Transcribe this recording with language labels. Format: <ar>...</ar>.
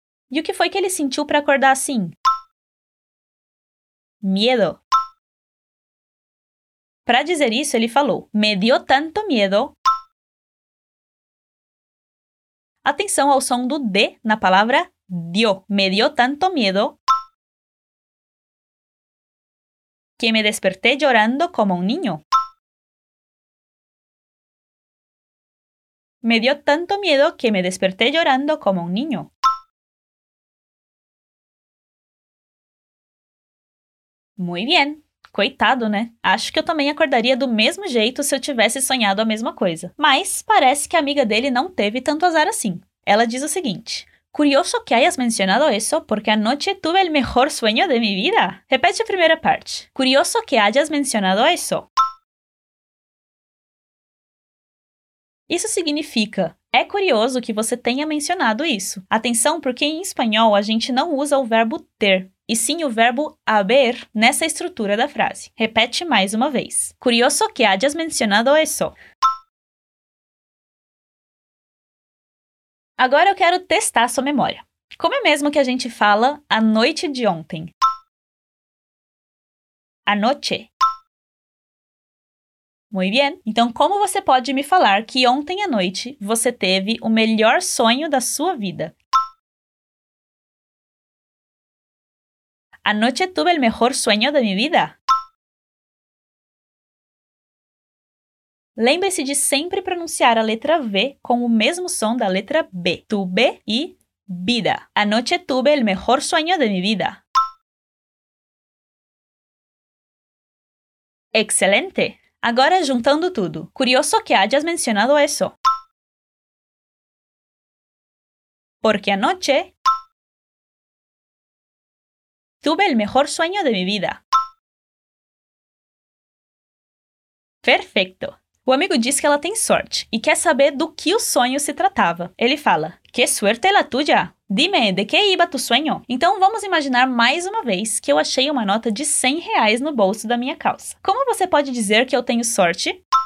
<pt>E o que foi que ele sentiu para acordar assim?</pt> <es>Miedo.</es> <pt>Para dizer isso, ele falou,</pt> <es>me dio tanto miedo.</es> <pt>Atenção ao som do D na palavra dio.</pt> <es>Me dio tanto miedo que me desperté llorando como un niño. Me dio tanto miedo que me desperté llorando como un niño. Muy bien.</es> <pt>Coitado, né? Acho que eu também acordaria do mesmo jeito se eu tivesse sonhado a mesma coisa. Mas parece que a amiga dele não teve tanto azar assim. Ela diz o seguinte.</pt> <es>Curioso que hayas mencionado eso porque anoche tuve el mejor sueño de mi vida.</es> <pt>Repete a primeira parte.</pt> <es>Curioso que hayas mencionado eso.</es> <pt>Isso significa, é curioso que você tenha mencionado isso. Atenção porque em espanhol a gente não usa o verbo ter, e sim o verbo haber nessa estrutura da frase. Repete mais uma vez.</pt> <es>Curioso que hayas mencionado eso.</es> <pt>Agora eu quero testar sua memória. Como é mesmo que a gente fala a noite de ontem?</pt> <es>Anoche. Muy bien.</es> <pt>Então, como você pode me falar que ontem à noite você teve o melhor sonho da sua vida?</pt> <es>Anoche tuve el mejor sueño de mi vida.</es> <pt>Lembre-se de sempre pronunciar a letra V com o mesmo som da letra B.</pt> <es>Tuve e vida. Anoche tuve el mejor sueño de mi vida.</es> <pt>Excelente! Agora, juntando tudo.</pt> <es>Curioso que hayas mencionado eso. Porque anoche tuve el mejor sueño de mi vida. Perfecto!</es> <pt>O amigo diz que ela tem sorte e quer saber do que o sonho se tratava. Ele fala,</pt> <es>que suerte la tuya! Dime, de que iba tu sueño?</es> <pt>Então, vamos imaginar mais uma vez que eu achei uma nota de 100 reais no bolso da minha calça. Como você pode dizer que eu tenho sorte?</pt>